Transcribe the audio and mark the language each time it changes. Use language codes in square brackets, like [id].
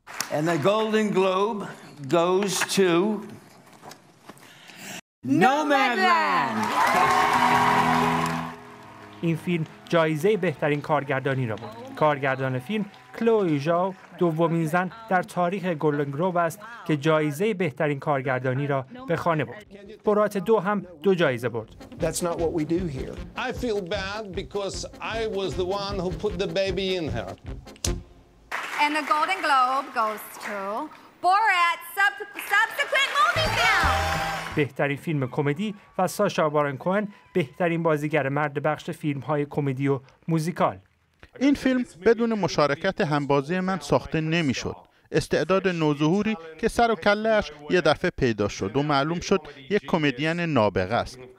[en] And the Golden Globe goes to Nomadland. [fa] این فیلم جایزه بهترین کارگردانی را برد. کارگردان فیلم کلوی ژاو دومین زن در تاریخ گولدن گلوب است که جایزه بهترین کارگردانی را به خانه برد. برات دو هم دو جایزه برد. [en] That's not what we do here. I feel bad because I was the one who put the baby in her. And the Golden Globe goes to Borat subsequent movie film. [fa] بهترین فیلم کمدی و ساشا بارون کوهن بهترین بازیگر مرد بخش فیلم‌های کمدی و موزیکال. این فیلم بدون مشارکت همبازی من ساخته نمی‌شد. استعداد نوظهوری که سر و کله‌اش یه دفعه پیدا شد و معلوم شد یک کمدین نابغه است.